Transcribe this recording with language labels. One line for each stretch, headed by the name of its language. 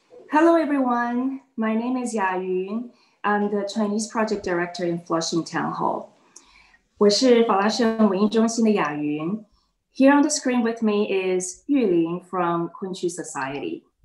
English: Hello everyone, my name is Ya Yun. I'm the Chinese Project Director in Flushing Town Hall.
Chinese: 我是法拉盛文艺中心的雅云.
English: Here on the screen with me is Yu Lin from Kunqu Society.